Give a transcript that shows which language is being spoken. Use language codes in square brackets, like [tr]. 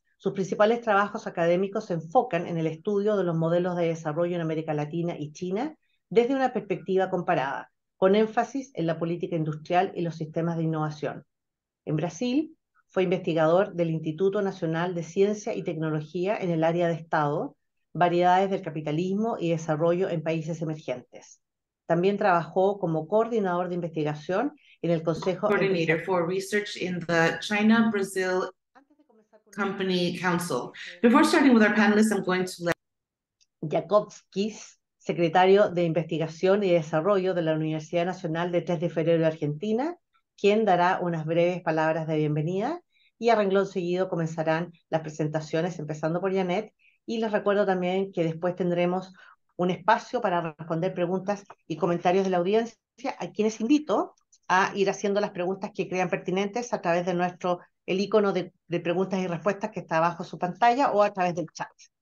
[es] Sus principales trabajos académicos se enfocan en el estudio de los modelos de desarrollo en América Latina y China desde una perspectiva comparada, con énfasis en la política industrial y los sistemas de innovación. En Brasil, fue investigador del Instituto Nacional de Ciencia y Tecnología en el área de Estado, variedades del capitalismo y desarrollo en países emergentes. También trabajó como coordinador de investigación en el Consejo [en] Coordinator [es] Empresarial. [en] for research in the China-Brazil Company Council. Before starting with our panelists, I'm going to let [es] Jakovskis, secretario de Investigación y Desarrollo de la Universidad Nacional de 3 de Febrero de Argentina, quien dará unas breves palabras de bienvenida y a renglón seguido comenzarán las presentaciones, empezando por Janet, Y les recuerdo también que después tendremos un espacio para responder preguntas y comentarios de la audiencia, a quienes invito a ir haciendo las preguntas que crean pertinentes a través de el icono de preguntas y respuestas que está abajo de su pantalla o a través del chat.